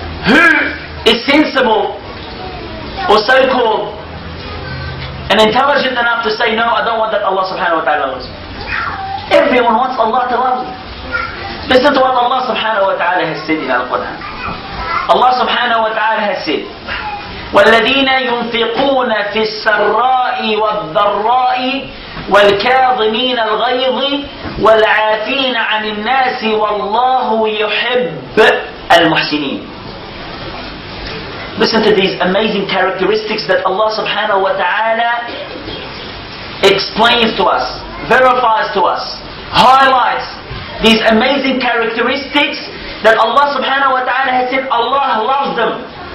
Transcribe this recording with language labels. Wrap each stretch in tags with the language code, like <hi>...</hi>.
<en>Who is sensible or so-called and intelligent enough to say, no, I don't want that Allah subhanahu wa ta'ala loves me? Everyone wants Allah to love you. Listen to what Allah subhanahu wa ta'ala has said in the Quran. Allah subhanahu wa ta'ala has said,</en> <ar>وَالَّذِينَ يُنْفِقُونَ فِي السَّرَّاءِ وَالضَّرَّاءِ وَالْكَاظِمِينَ الْغَيْظِ وَالْعَافِينَ عَنِ النَّاسِ وَاللَّهُ يُحِبُّ الْمُحْسِنِينَ.</ar> <en>Listen to these amazing characteristics that Allah subhanahu wa ta'ala explains to us, verifies to us, highlights these amazing characteristics that Allah subhanahu wa ta'ala has said Allah loves them.</en>